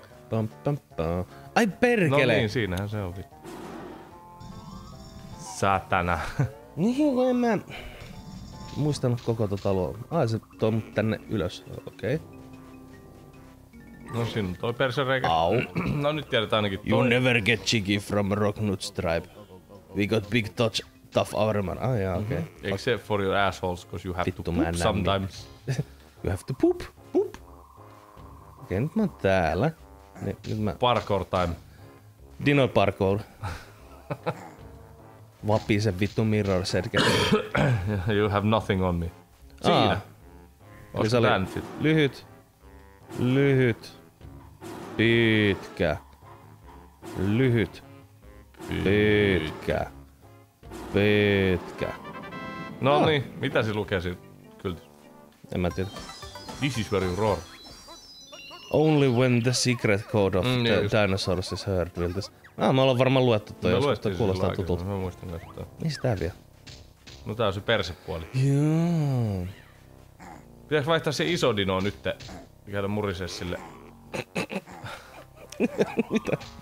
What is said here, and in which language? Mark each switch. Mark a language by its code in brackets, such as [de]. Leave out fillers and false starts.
[fi] Pam pam pam. Ai perkele! No niin, siinähän se on vittu. Satana. Niin, kun en mä muistanut koko tota luo. Ai se toi mut tänne ylös. Okei. Okay. No sinun toi persereikä. Au. No nyt tiedät ainakin toi. [en] You never get cheeky from Rocknut's tribe. We got big touch, tough armor. [fi] Ah jaa, okei. [en] Okay. Mm-hmm. Except for your assholes, cause you have [fi] Vittu [en] to poop sometimes. You have to poop. Poop. [fi] Okei, okay, nyt mä oon täällä. Nyt mä... [en] Parkour time. Dino parkour. [fi] Vapisen vittu mirror setkä. [en] You have nothing on me. [fi] Siinä. Ah. Oli lyhyt. Lyhyt. Pitkä. Lyhyt. Pitkä. Pitkä. No niin, mitä se lukee siinä kyltissä? En mä tiedä. [en] This is where you roar. Only when the secret code of dinosaurs is heard will this. [fi] Ah, me ollaan varmaan luettu toi joskus, toi kuulostaa tutulta. Mä muistan näyttää. Mistä tää vielä? No tää on se persepuoli. Joo. Pitäis vaihtaa se iso dino nytte. Käydä murisee sille. Mitä?